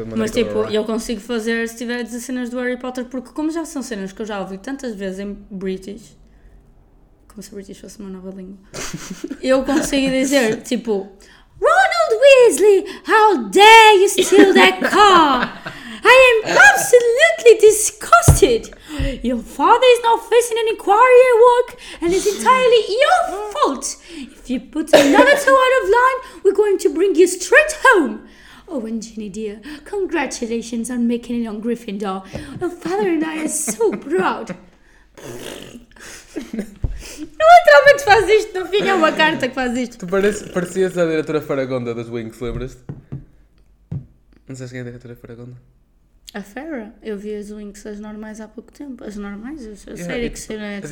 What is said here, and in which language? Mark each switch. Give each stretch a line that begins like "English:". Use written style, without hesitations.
Portuguese: Mas tipo, eu consigo fazer se tiver as cenas do Harry Potter, porque como já são cenas que eu já ouvi tantas vezes em British, como se British fosse uma nova língua, eu consigo dizer, tipo, Ronald Weasley,
English: how dare you steal that car? I am absolutely disgusted. Your father is now facing an inquiry at work and it's entirely your fault. If you put another toe out of line, we're going to bring you straight home. Oh, and Ginny dear, congratulations on making it on Gryffindor. Your father and I are so proud.
Portuguese: Ele literalmente faz isto, no fim é uma carta que faz isto. Tu parecias a diretora Faragonda das Wings, lembras-te? Não sabes quem é a diretora Faragonda? A Farrah? Eu vi as Wings, as normais, há pouco tempo. As normais? A série que saiu na Netflix.